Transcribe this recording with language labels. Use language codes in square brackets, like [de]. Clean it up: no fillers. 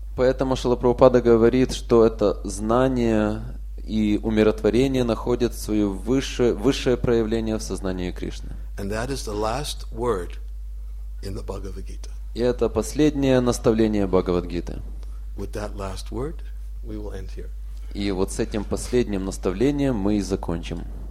[ru] Поэтому Шрила Прабхупада говорит, что это знание и умиротворение находят свое высшее проявление в сознании Кришны. [en] And that is the last word in the Bhagavad Gita. [ru] И это последнее наставление Бхагавад-гиты. [en] With that last word, we will end here. [ru] И вот с этим последним наставлением мы и закончим.